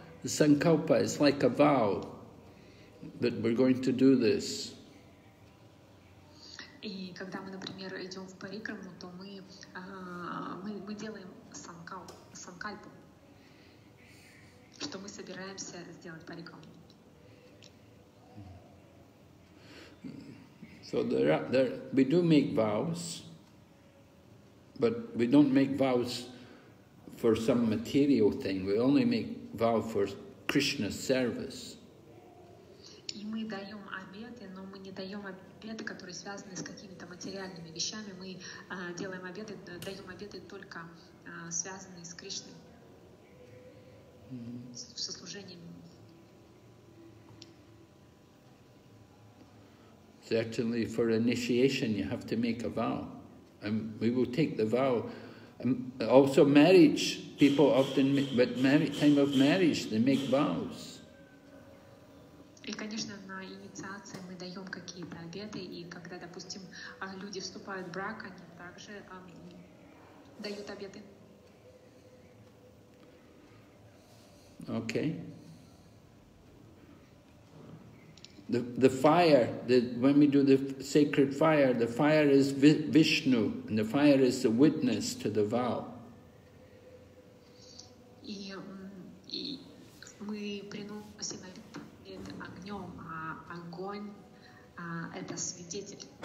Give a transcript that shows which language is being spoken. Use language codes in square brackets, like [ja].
[en] The sankalpa is like a vow that we're going to do this. [ru] И когда мы, например, идем в парикраму, то мы делаем санкальпу, что мы собираемся сделать парикраму. [en] So there we do make vows. But we don't make vows for some material thing. We only make vow for Krishna's service. [ru] И мы даем обеты, но мы не даем обеты, которые связаны с какими-то материальными вещами. Мы делаем обеты, даем обеты только связанные с Кришной, со служением. [en] Certainly, for initiation, you have to make a vow. And we will take the vow. Also marriage, people often but time of marriage they make vows. [ru] И, конечно, на инициации мы даем какие-то обеты, и когда, допустим, люди вступают в брак, они также дают обеты. [en] Okay. The fire, when we do the sacred fire, the fire is Vishnu, and the fire is the witness to the vow. [ru] И мы приносим это огнем, а огонь это свидетель.